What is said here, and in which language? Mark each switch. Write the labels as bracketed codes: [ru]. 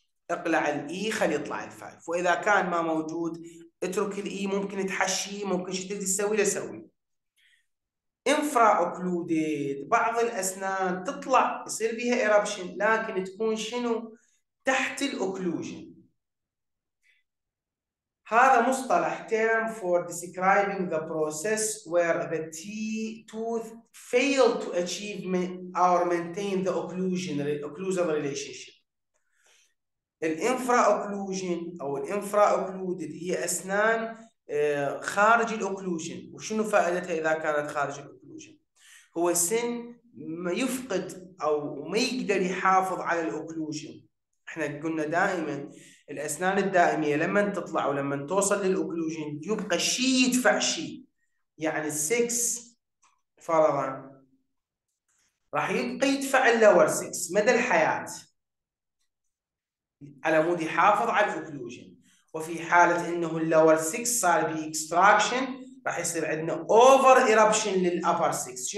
[ar] اقلع الاي خلي يطلع الفايف، واذا كان ما موجود اترك الاي، ممكن تحشي، ممكن شو تبدي تسوي له سوي. انفرا اوكلودد، بعض الاسنان تطلع يصير بيها ايربشن لكن تكون شنو؟ تحت الاوكلوجن. هذا مصطلح [en] term for describing the process where the tooth failed to achieve or maintain the occlusal relationship. [ar] الانفرا اوكلوجن او الانفرا اوكلودد هي اسنان خارج الاوكلوجن، وشنو فائدتها اذا كانت خارج الاوكلوجن؟ هو سن ما يفقد او ما يقدر يحافظ على الاوكلوجن. احنا قلنا دائما الاسنان الدائميه لما تطلع ولما توصل للاوكلوجين يبقى شيء يدفع شيء، يعني السكس فرضا راح يبقى يدفع اللور سكس مدى الحياه على مود يحافظ على الاوكلوجين، وفي حاله انه اللور سكس صار بي اكستراكشن راح يصير عندنا اوفر ايربشن للابر سكس.